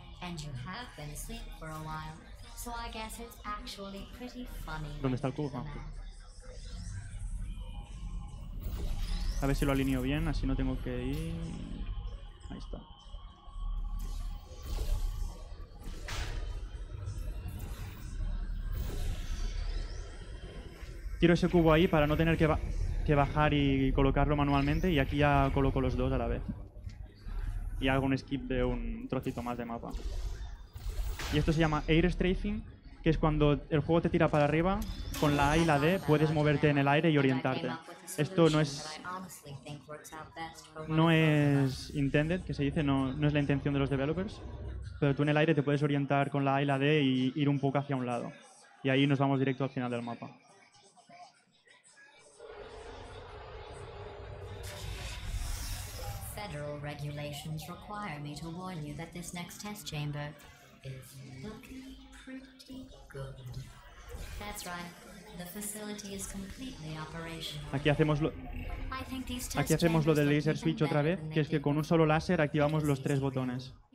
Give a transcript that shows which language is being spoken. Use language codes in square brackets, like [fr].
[en] And you have been asleep for a while, so I guess it's actually pretty funny. [es] ¿Dónde está el cubo? A ver si lo alineo bien, así no tengo que ir. Ahí está. Tiro ese cubo ahí para no tener que... que bajar y colocarlo manualmente, y aquí ya coloco los dos a la vez y hago un skip de un trocito más de mapa. Y esto se llama air strafing, que es cuando el juego te tira para arriba con la A y la D, puedes moverte en el aire y orientarte. Esto no es intended, que se dice, no es la intención de los developers, pero tú en el aire te puedes orientar con la A y la D y ir un poco hacia un lado, y ahí nos vamos directo al final del mapa. [en] Fed federal regulations require me to warn you that this next test chamber is looking pretty good. That's right. The facility is completely operational. [es] Aquí hacemos lo del laser switch otra vez, que es que con un solo láser activamos los tres botones.